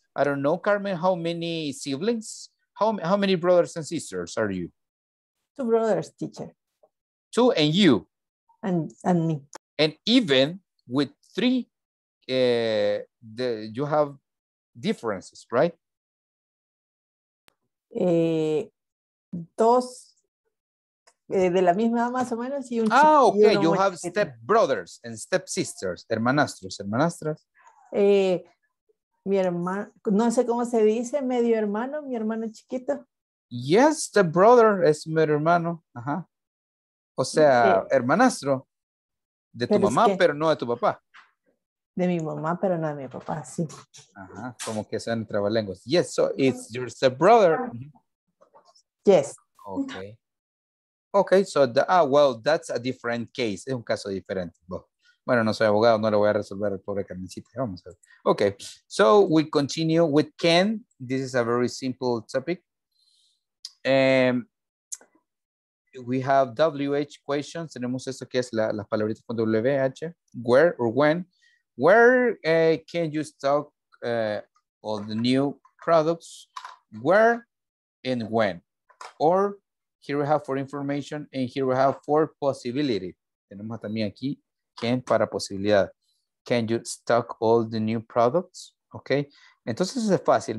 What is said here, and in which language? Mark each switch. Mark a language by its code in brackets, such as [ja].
[en] I don't know, Carmen, how many siblings? How many brothers and sisters are you? Two brothers, teacher. Two, and you? And me. And even with three, you have differences, right? [es] Dos de la misma más o menos y un [en] chico. Ah, okay. You have step brothers and step sisters, [es] hermanastros, hermanastras. Mi hermano, no sé cómo se dice, medio hermano, mi hermano chiquito. [en] Yes, the brother [es] es mi hermano. Ajá. O sea, sí. Hermanastro de tu pero mamá, es que, pero no de tu papá. De mi mamá, pero no de mi papá, sí. Ajá, como que sean trabalenguas. [en] Yes, so it's your stepbrother. [es] Yes. [en] Okay. Okay, so, well, that's a different case. [es] Es un caso diferente. Bueno, no soy abogado, no le voy a resolver al pobre Carmencita. Vamos a ver. [en] Okay, so we continue with Ken. This is a very simple topic. We have WH questions. [es] Tenemos esto que es las palabritas con WH. [en] Where or when. Where can you stock all the new products? Where and when? Or here we have for information, and here we have for possibility. [es] Tenemos también aquí, can para posibilidad. [en] Can you stock all the new products? [es] Okay. Entonces es fácil.